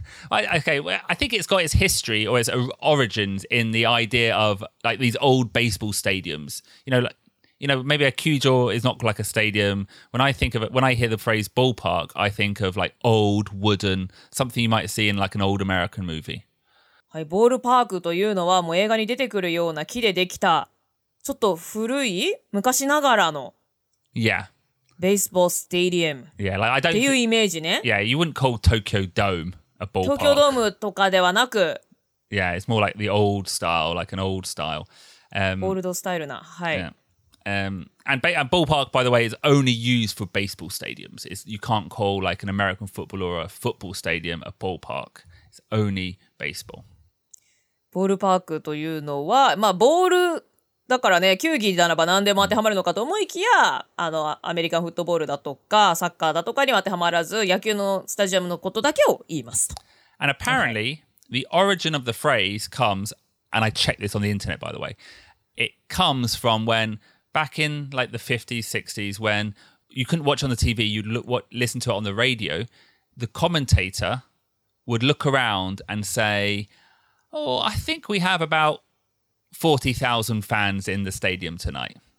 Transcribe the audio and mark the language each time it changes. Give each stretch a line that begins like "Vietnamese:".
English: Well, I think it's got its history or its origins in the idea of like these old baseball stadiums. You know, like, you know, maybe a 球場 is not like a stadium. When I think of it, when I hear the phrase ballpark, I think of like old wooden, something you might see in like an old American movie.
Japanese: はい、ボールパークというのはもう映画に出てくるような木でできたちょっと古い昔ながらの。
English: Yeah. Baseball stadium. Yeah, like I don't.
Japanese: っていうイメージね。
English: Yeah, you wouldn't call Tokyo Dome a ballpark.
Japanese: 東京ドームとかではなく。
English: Yeah, it's more like the old style, like an old style. Old style
Japanese: な、はい。
English: Yeah. And ballpark, by the way, is only used for baseball stadiums. It's, you can't call like an American football or a football stadium a ballpark. It's only baseball.
Japanese: ボールパークというのは、まあボールだからね、球技ならば何でも当てはまるのかと思いきや、あの、アメリカンフットボールだとか、サッカーだとかには当てはまらず、野球のスタジアムのことだけを言いますと。
English: And apparently,、okay. the origin of the phrase comes, and I checked this on the internet, by the way, it comes from when, back in like the 50s, 60s, when you couldn't watch on the TV, you'd listen to it on the radio, the commentator would look around and say, oh, I think we have about 40,000 fans in the stadium tonight.